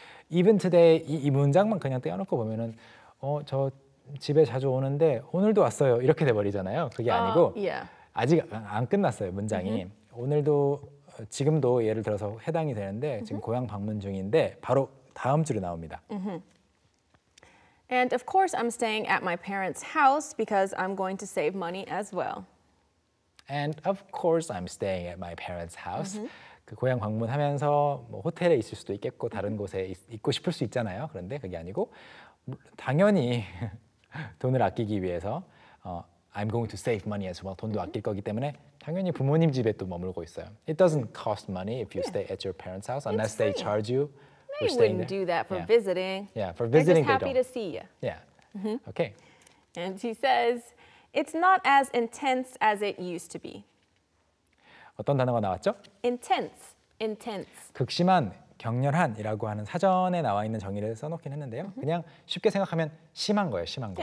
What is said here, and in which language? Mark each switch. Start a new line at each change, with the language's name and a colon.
English: Even today
Korean: 이 문장만 그냥 떼어놓고 보면은 저 집에 자주 오는데 오늘도 왔어요 이렇게 돼버리잖아요. 그게 아니고
English: yeah.
Korean: 아직 안 끝났어요 문장이. Mm-hmm. 오늘도 지금도 예를 들어서 해당이 되는데 mm-hmm. 지금 고향 방문 중인데 바로 다음 줄이 나옵니다.
English: Mm-hmm. And of course, I'm staying at my parents' house because I'm going to save money as well. And of course, I'm staying at my parents' house. Mm-hmm.
Korean: 그 고향 방문하면서 뭐 호텔에 있을 수도 있겠고 다른 곳에 있고 싶을 수 있잖아요. 그런데 그게 아니고 당연히 돈을 아끼기 위해서
English: I'm going to save money as well.
Korean: 돈도 mm-hmm. 아낄 거기 때문에 당연히 부모님 집에 또 머물고 있어요.
English: It doesn't cost money if you stay at your parents' house unless It's they free. charge you. They wouldn't do that for visiting. Yeah, for visiting. They're just happy to see you. Yeah. Mm-hmm. Okay. And he says, it's not as intense as it used to be.
Korean: 어떤 단어가 나왔죠?
English: Intense. Intense.
Korean: 극심한, 격렬한이라고 하는 사전에 나와 있는 정의를 써놓긴 했는데요.
English: Mm-hmm.
Korean: 그냥 쉽게 생각하면 심한 거예요, 심한 거.